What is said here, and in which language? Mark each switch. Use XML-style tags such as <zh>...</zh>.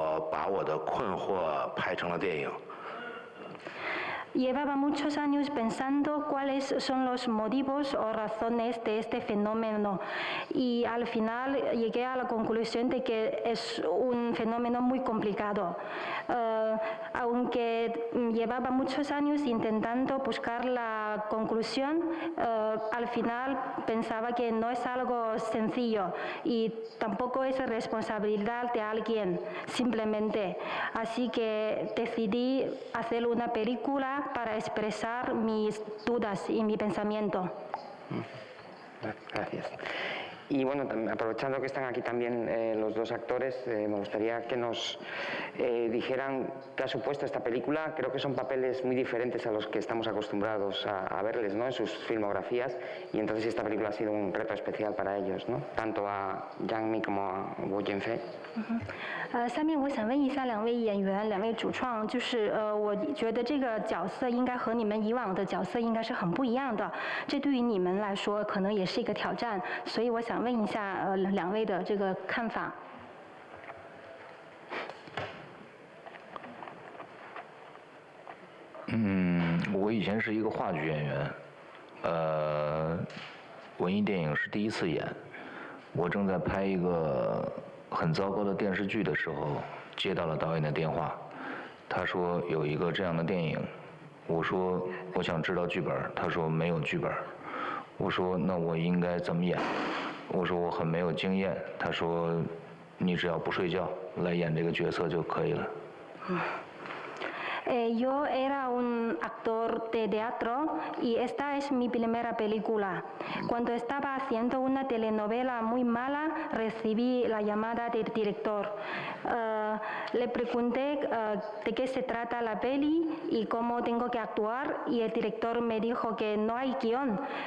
<zh>我一直在想是什么原因造成了这一切，实际上呢，它的原因是我自己认为是特别的复杂，我想了很多年，我试图找到一个原因，但是最后我一直没有，一直我觉得不是简单的可以归结为这是谁的责任，所以后来呢，我把我的困惑拍成了电影。</zh> <es>Llevaba muchos años pensando cuáles son los motivos o razones de este fenómeno y al final llegué a la conclusión de que es un fenómeno muy complicado. Aunque llevaba muchos años intentando buscar la conclusión, al final pensaba que no es algo sencillo y tampoco es responsabilidad de alguien, simplemente. Así que decidí hacer una película para expresar mis dudas y mi pensamiento. Gracias. Y bueno, aprovechando que están aquí también los dos actores, me gustaría que nos dijeran qué ha supuesto esta película. Creo que son papeles muy diferentes a los que estamos acostumbrados a verles, ¿no?, en sus filmografías, y entonces esta película ha sido un reto especial para ellos, ¿no?, tanto a Yang Mi como a Wu Jianfei.</es> <zh>下面我想问一下两位演员、两位主创，就是我觉得这个角色应该和你们以往的角色应该是很不一样的，这对于你们来说可能也是一个挑战，所以我想问一下两位的这个看法。我以前是一个话剧演员，文艺电影是第一次演。我正在拍一个很糟糕的电视剧的时候，接到了导演的电话，他说有一个这样的电影。我说我想知道剧本，他说没有剧本。我说那我应该怎么演？我说我很没有经验。他说你只要不睡觉来演这个角色就可以了。</zh> <es>Yo era un actor de teatro y esta es mi primera película. Cuando estaba haciendo una telenovela muy mala, recibí la llamada del director. Le pregunté de qué se trata la peli y cómo tengo que actuar y el director me dijo que no hay guión.</es>